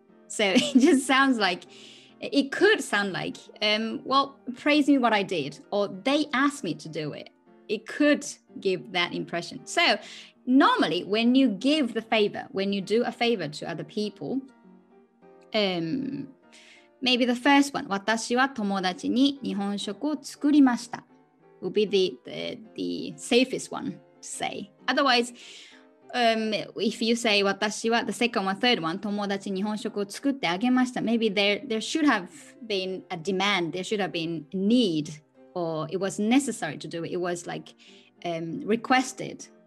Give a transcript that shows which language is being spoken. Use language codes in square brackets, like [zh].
[en] So it just sounds like, it could sound like, well, praise me what I did, or they asked me to do it. It could give that impression. So normally when you give the favor, when you do a favor to other people, maybe the first one, [ja] 私は友達に日本食を作りました, [en] will be the safest one to say. Otherwise, if you say [ja] 私は, [en] the second one, third one, [ja] 友達日本食を作ってあげました, [en] maybe there should have been a demand, there should have been a need, or it was necessary to do it, it was like requested.